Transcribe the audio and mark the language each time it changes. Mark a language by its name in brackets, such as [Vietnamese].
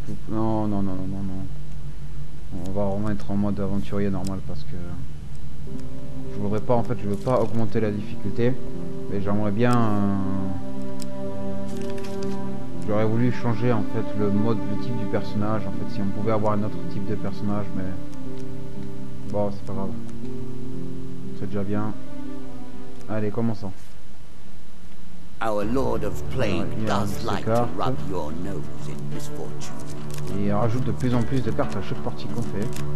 [French] Non. On va remettre en mode aventurier normal parce que je voudrais pas, en fait, je veux pas augmenter la difficulté, mais j'aimerais bien. J'aurais voulu changer en fait le mode, le type du personnage, en fait, si on pouvait avoir un autre type de personnage, mais bon, c'est pas grave. C'est déjà bien. Allez, commençons. [English] Our Lord of Plague does like to rub your nose in misfortune. [French] Et on rajoute de plus en plus de cartes à chaque partie qu'on fait.